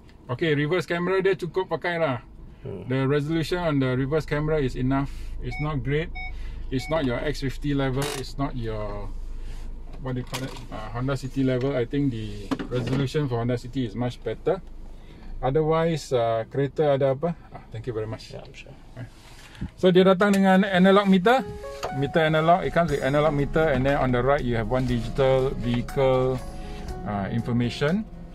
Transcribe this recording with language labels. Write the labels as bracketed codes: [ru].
[en] Okay, reverse camera [ms] dia cukup pakai lah. [en] The resolution on the reverse camera is enough. It's not great. It's not your X50 level. It's not your what do you call it? Honda City level. I think the resolution for Honda City is much better. Otherwise, [ms] kereta ada apa? [en] Ah, thank you very much. Yeah, I'm sure. [ms] So dia datang dengan analog meter. Meter analog. [en] It comes with analog meter, and then on the right you have one digital vehicle information.